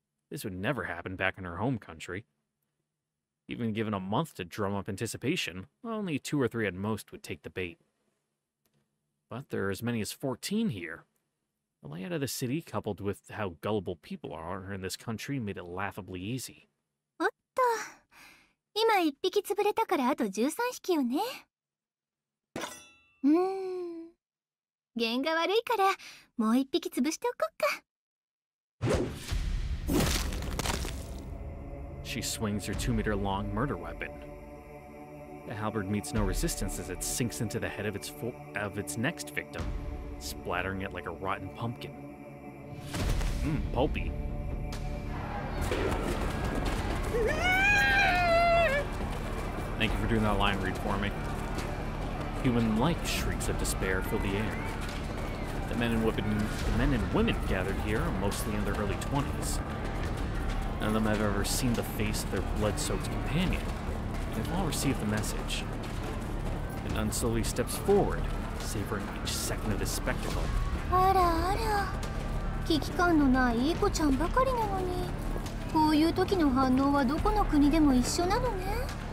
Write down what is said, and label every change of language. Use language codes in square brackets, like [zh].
[en] This would never happen back in her home country. Even given a month to drum up anticipation, only two or three at most would take the bait. But there are as many as 14 here. The layout of the city, coupled with how gullible people are in this country, made it laughably easy. What the... [ja] 今1匹潰れたからあと13匹よね。うーん。弦が悪いからもう1匹潰しておこうか。 [en] She swings her 2-meter-long murder weapon. The halberd meets no resistance as it sinks into the head of its next victim, splattering it like a rotten pumpkin. Pulpy. Thank you for doing that line read for me. Human-like shrieks of despair fill the air. The men and women gathered here are mostly in their early 20s. None of them have ever seen the face of their blood-soaked companion, and they've all received the message. The nun slowly steps forward, savoring each second of this spectacle. [ja] あらあら、危機感のないイコちゃんばかりなのに、こういう時の反応はどこの国でも一緒なのね。